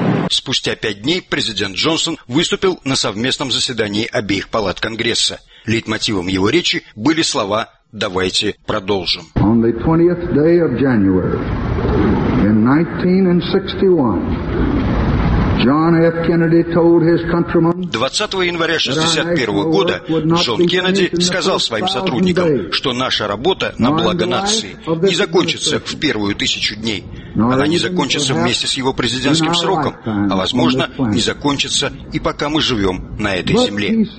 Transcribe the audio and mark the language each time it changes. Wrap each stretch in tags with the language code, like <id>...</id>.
<ru>Спустя 5 дней президент Джонсон выступил на совместном заседании обеих палат Конгресса. Лейтмотивом его речи были слова «Давайте продолжим».</ru> <en>On the 20th day of January, in 1961, John F. Kennedy told his countrymen.</en> <ru>20 января 1961 года Джон Кеннеди сказал своим сотрудникам, что наша работа на благо нации не закончится в первую 1000 дней. Она не закончится вместе с его президентским сроком, а, возможно, не закончится и пока мы живем на этой земле.</ru>